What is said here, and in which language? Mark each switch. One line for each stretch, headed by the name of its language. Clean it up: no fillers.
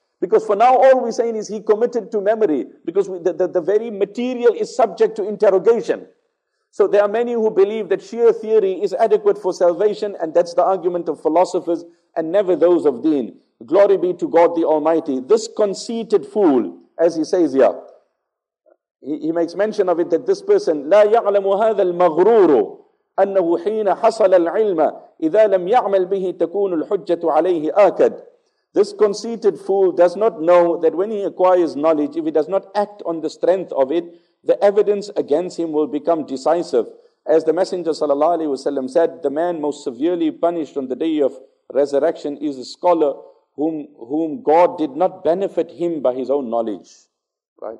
English: Because for now, all we're saying is he committed to memory, because the very material is subject to interrogation. So there are many who believe that sheer theory is adequate for salvation, and that's the argument of philosophers and never those of deen. Glory be to God the Almighty. This conceited fool, as he says here, he makes mention of it, that this person,
Arabic: لا يعلم هذا المغرور أنه حين حصل العلم إذا لم يعمل به تكون الحجة عليه آكد.
English: This conceited fool does not know that when he acquires knowledge, if he does not act on the strength of it, the evidence against him will become decisive. As the Messenger sallallahu alaihi wasallam said, the man most severely punished on the day of resurrection is a scholar whom God did not benefit him by his own knowledge. Right?